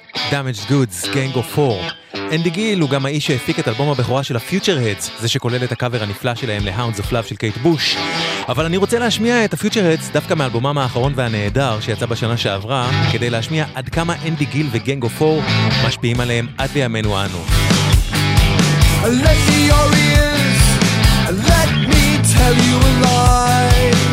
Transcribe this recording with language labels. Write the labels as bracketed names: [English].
[English] Damaged Goods, Gang of Four. [Hebrew] אנדי גיל הוא גם האיש שהפיק את אלבום הבכורה של הפיוטר-הדס, זה שכולל את הקאבר הנפלא שלהם ל-Hounds of Love של קייט בוש. אבל אני רוצה להשמיע את הפיוטר-הדס דווקא מאלבומם האחרון והנהדר שיצא בשנה שעברה, כדי להשמיע עד כמה אנדי גיל וגנג אוף פור משפיעים עליהם עד לימינו אנו. [English] Let me your ears, let me tell you a lie.